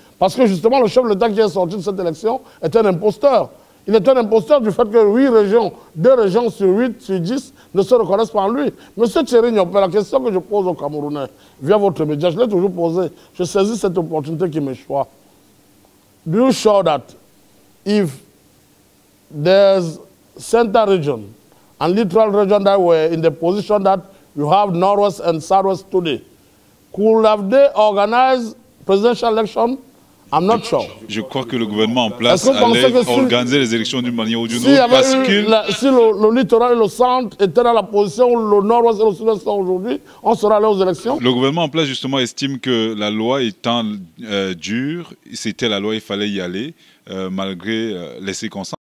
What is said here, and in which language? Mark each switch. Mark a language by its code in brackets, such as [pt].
[fr] Parce que justement, le chef de l'État qui est sorti de cette élection est un imposteur. Il est un imposteur du fait que huit régions, deux régions sur huit, sur dix, ne se reconnaissent pas en lui. Monsieur Thierry Niopé, la question que je pose aux Camerounais, via votre média, je l'ai toujours posée, je saisis cette opportunité qui me choisit. [en] Do you show that if there's central region and littoral region that were in the position that you have Northwest and Southwest today, could have they organized presidential election? I'm not sure. [fr] Je crois que le gouvernement en place allait organiser les élections d'une manière ou d'une autre parce que... Si le littoral et le centre étaient dans la position où le Nord-Ouest et le Sud-Ouest sont aujourd'hui, on sera allé aux élections. Le gouvernement en place, justement, estime que la loi étant dure, c'était la loi, il fallait y aller malgré les circonstances.